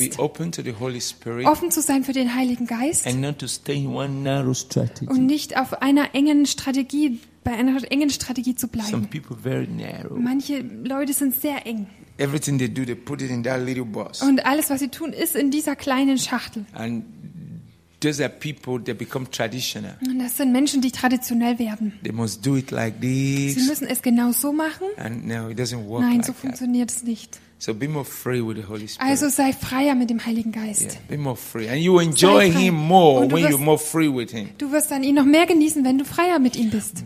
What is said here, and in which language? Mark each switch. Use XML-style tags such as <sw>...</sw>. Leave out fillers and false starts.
<en>Is to be open to the Holy Spirit.</en> <de>Offen zu sein für den Heiligen Geist.</de> <en>And not to stay in one narrow strategy.</en> <de>Und nicht auf einer engen Strategie bei einer engen Strategie zu bleiben.</de> <en>Some people very narrow.</en> <de>Manche Leute sind sehr eng.</de> <en>Everything they do, they put it in that little box.</en> <de>Und alles, was sie tun, ist in dieser kleinen Schachtel.</de> <en>And those are people that become traditional.</en> <de>Und das sind Menschen, die traditionell werden.</de> <en>They must do it like this.</en> <de>Sie müssen es genau so machen.</de> <en>And no, it doesn't work.</en> <de>Nein,</de> <en>like</en> <de>so funktioniert es nicht.</de> <en>So be more free with the Holy Spirit.</en> <de>Also sei freier mit dem Heiligen Geist.</de> <en>Yeah, be more free, and you enjoy him more when you're more free with him.</en> <de>Du wirst dann ihn noch mehr genießen, wenn du freier mit ihm bist.</de>